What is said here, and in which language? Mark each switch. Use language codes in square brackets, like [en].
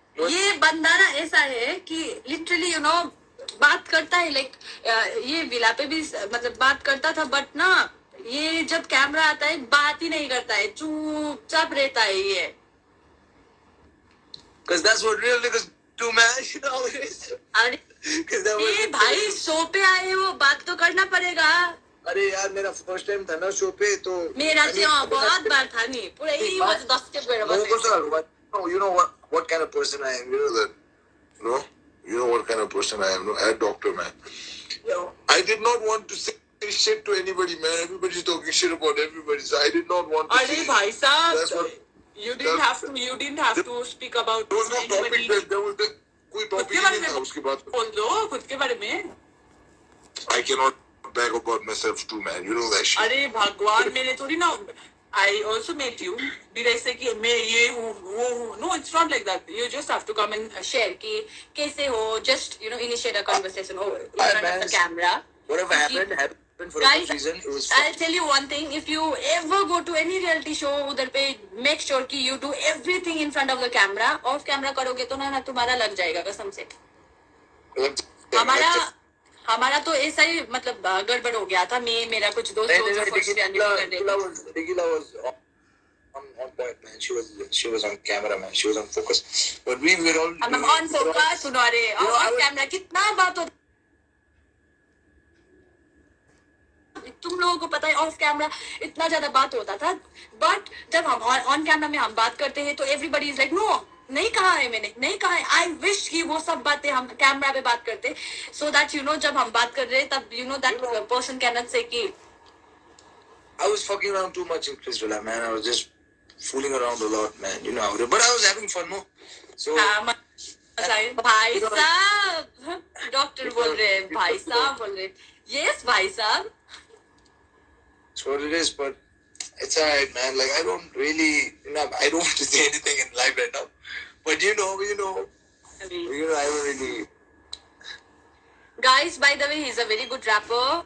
[hi] ये बन्दा ना ऐसा है कि लिटरली यू नो बात करता है लाइक ये विला पे भी मतलब बात करता था, बट ना ये जब कैमरा आता है बात ही नहीं करता है, चुपचाप रहता है ये. [en] Cause that's what real niggas do, man. [hi] अरे भाई शो पे आए हो, बात तो करना पड़ेगा. अरे यार मेरा फर्स्ट टाइम था ना शो पे, तो मेरा बहुत बार था नहीं पूरे ही बस 10 के पे [en] बस. No sir, you know what kind of person I am, you know that, no you know what kind of person I am, no I am doctor man. I did not want to say shit to anybody man, everybody is talking shit about everybody, so I did not want to. [hi] अरे भाई साहब, [en] you didn't have to speak about there was no topic, there was no [hi] कोई topic नहीं था उसके बाद. बोल दो खुद के बारे में. [en] I can not bag about myself too, man. You know that shit. [hi] अरे भगवान, मैंने थोड़ी ना, [en] I also met you. [hi] भी ऐसे कि मैं ये हूँ वो हूँ. [en] No, it's not like that. You just have to come and share [hi] कि कैसे हो. [en] Just you know initiate a conversation over in front of the camera. Whatever happened happened for a reason. It was. I'll tell you one thing. If you ever go to any reality show [hi] उधर पे, [en] make sure कि you do everything in front of the camera. [hi] Off camera करोगे तो ना तुम्हारा लग जाएगा कसम से. हमारा हमारा तो ऐसा ही मतलब गड़बड़ हो गया था. मैं मेरा कुछ दोस्त वो जो फर्स्ट से [en] Unlimited डिकिला was on point man, she was on camera man, she was on focus, but we were all I am on focus. [hi] सुनो अरे ऑन कैमरा कितना बात हो, तुम लोगों को पता है ऑफ कैमरा इतना ज्यादा बात होता था, बट जब हम ऑन कैमरा में हम बात करते हैं तो [en] everybody is like no [hi] नहीं कहा है मैंने, नहीं कहा है. आई विश कि वो सब बातें हम कैमरा पे बात करते, सो दैट यू नो जब हम बात कर रहे हैं तब [en] you know that person can not say [hi] कि [en] I was fucking around too much in Splitsvilla man, I was just fooling around a lot man, you know how, but I was having fun more. So [hi] भाई साहब doctor बोल रहे हैं, भाई साहब बोल रहे हैं. यस भाई साहब, [en] what it is, but it's all right man, like I don't really, you know, I don't want to say anything in life right now, but you know I don't really guys, by the way he's a very good rapper,